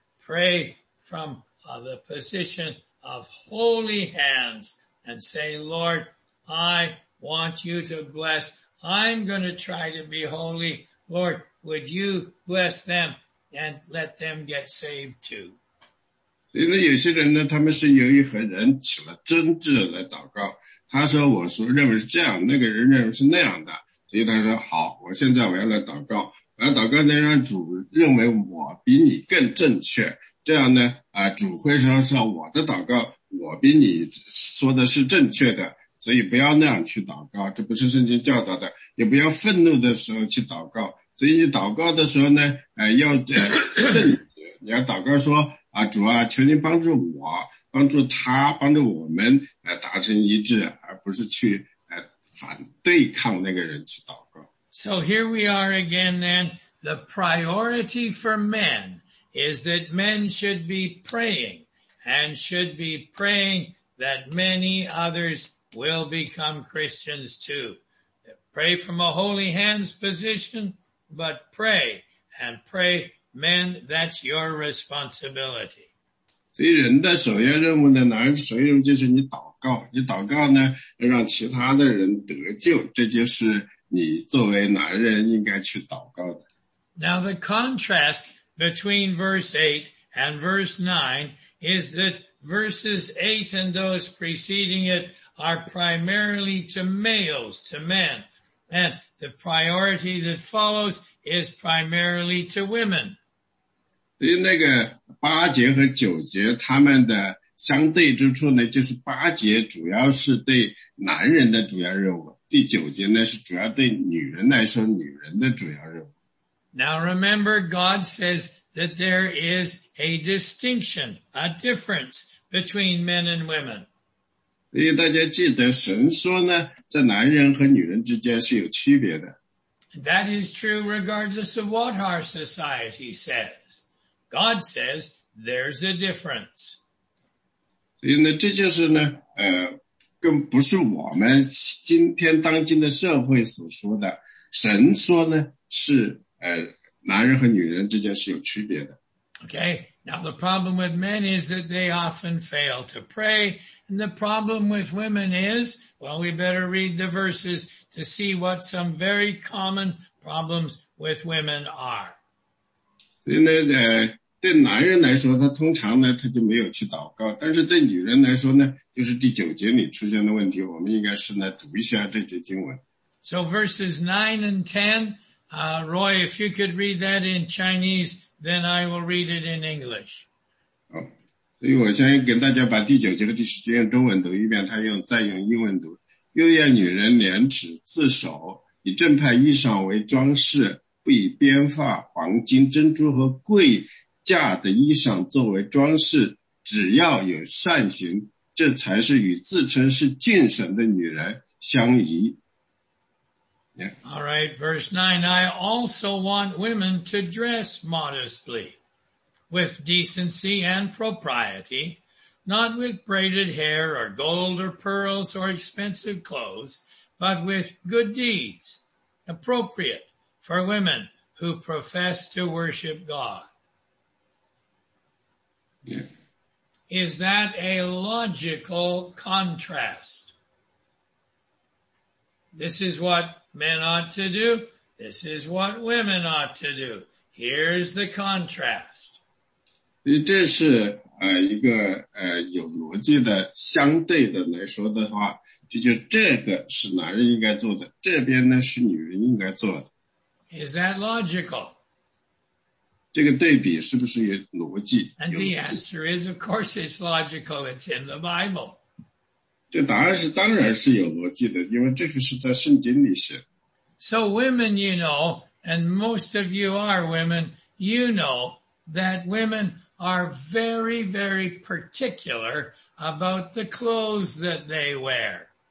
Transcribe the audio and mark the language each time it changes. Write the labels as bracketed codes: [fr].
[en] Pray from of the position of holy hands and say, Lord, I want you to bless. I'm going to try to be holy. Lord, would you bless them and let them get saved too? [zh] 所以有些人呢，他们是由于和人起了争执来祷告。他说，我说认为是这样，那个人认为是那样的。所以他说，好，我现在我要来祷告。我要祷告呢，让主认为我比你更正确。这样呢，主会说是我的祷告，我比你说的是正确的，所以不要那样去祷告，这不是圣经教导的，也不要愤怒的时候去祷告。所以你祷告的时候呢，要正确，你要祷告说啊，主啊，求您帮助我，帮助他，帮助我们，达成一致，而不是去反对抗那个人去祷告。 [en] So here we are again, then the priority for men. Is that men should be praying and should be praying that many others will become Christians too. Pray from a holy hands position, but pray and pray, men, that's your responsibility. [zh] 所以人的首要任务呢，男人首要任务就是你祷告，你祷告呢，让其他的人得救，这就是你作为男人应该去祷告的。 [en] Now the contrast,between verse 8 and verse 9 is that verses 8 and those preceding it are primarily to males, to men. And the priority that follows is primarily to women. [zh] 对那个八节和九节他们的相对之处呢，就是八节主要是对男人的主要任务，第九节呢是主要对女人来说女人的主要任务。 [en] Now remember, God says that there is a distinction, a difference between men and women. [zh] 所以大家记得神说呢，在男人和女人之间是有区别的。 [en] That is true regardless of what our society says. God says there's a difference. [zh] 所以呢，这就是呢，更不是我们今天当今的社会所说的。神说呢，是男人和女人之间是有区别的。 [en] Okay, now the problem with men is that they often fail to pray. And the problem with women is, well, we better read the verses to see what some very common problems with women are. [zh] 所以呢，对男人来说，他通常呢，他就没有去祷告。但是对女人来说呢，就是第九节里出现的问题，我们应该是来读一下这节经文。 [en] So verses 9 and 10,Roy, if you could read that in Chinese, then I will read it in English. [zh] 所以我先跟大家把第九节和第十节用中文读一遍，他用再用英文读。又要女人廉耻自守，以正派衣裳为装饰，不以编发、黄金、珍珠和贵价的衣裳作为装饰，只要有善行，这才是与自称是敬神的女人相宜。 [en] All right, verse 9. I also want women to dress modestly, with decency and propriety, not with braided hair or gold or pearls or expensive clothes, but with good deeds, appropriate for women who profess to worship God. Is that a logical contrast? This is what men ought to do. This is what women ought to do. Here's the contrast. [zh] 这是一个有逻辑的相对的来说的话，就这个是男人应该做的，这边呢是女人应该做的。 [en] Is that logical? [zh] 这个对比是不是有逻辑？ [en] And the answer is, of course it's logical, it's in the Bible. [zh] 这答案是当然是有逻辑的， 因为这个是在圣经里写。 [en] So women, you know, and most of you are women, you know that women are very, very particular about the clothes that they wear.